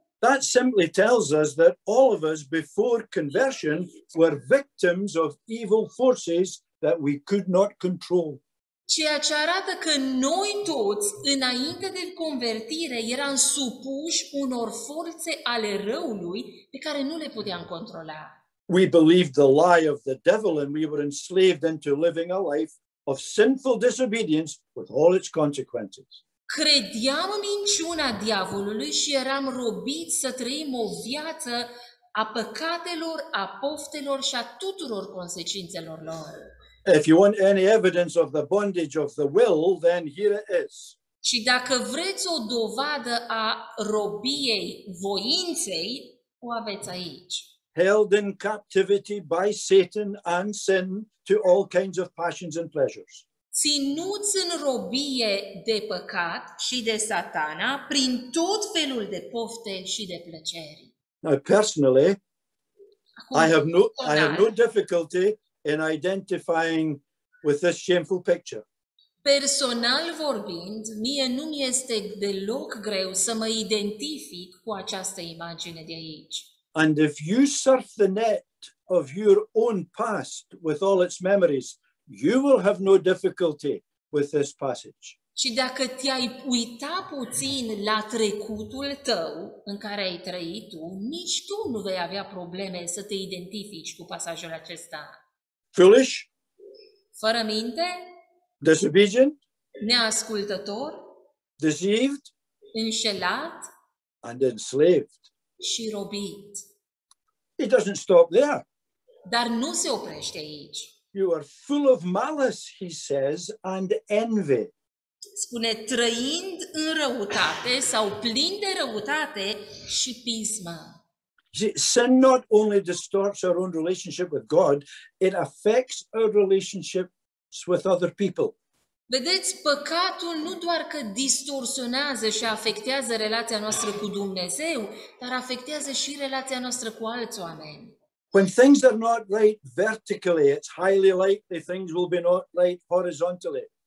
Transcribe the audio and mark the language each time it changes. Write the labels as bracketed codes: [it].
[en] That simply tells us that all of us before conversion were victims of evil forces that we could not control. [ro] Ceea ce arată că noi toți, înainte de convertire, eram supuși unor forțe ale răului pe care nu le puteam controla. [en] We believed the lie of the devil and we were enslaved into living a life of sinful disobedience with all its consequences. [ro] Credeam în minciuna diavolului și eram robiți să trăim o viață a păcatelor, a poftelor și a tuturor consecințelor lor. [en] If you want any evidence of the bondage of the will, then here it is. [ro] Și dacă vreți o dovadă a robiei voinței, o aveți aici. [en] Held in captivity by Satan and sin to all kinds of passions and pleasures. [ro] Ținuți în robie de păcat și de Satana prin tot felul de pofte și de plăceri. [en] Now, personally, I have no difficulty in identifying with this shameful picture. [ro] Personal vorbind, mie nu mi este deloc greu să mă identific cu această imagine de aici. [en] And if you surf the net of your own past with all its memories, you will have no difficulty with this passage. [ro] Și dacă te-ai uita puțin la trecutul tău în care ai trăit tu, nici tu nu vei avea probleme să te identifici cu pasajul acesta. [en] Foolish? [ro] Fără minte? [en] Disobedient? [ro] Neascultător? [en] Deceived? [ro] Înșelat? [en] And enslaved? [ro] Și robit. [en] It doesn't stop there. [ro] Dar nu se oprește aici. [en] You are full of malice, he says, and envy. [ro] Spune, trăind în răutate sau plin de răutate și pismă. [en] Sin not only distorts our own relationship with God, it affects our relationships with other people. [ro] Vedeți, păcatul nu doar că distorsionează și afectează relația noastră cu Dumnezeu, dar afectează și relația noastră cu alți oameni. [en] When things are not right vertically, it's highly likely things will be not right horizontally.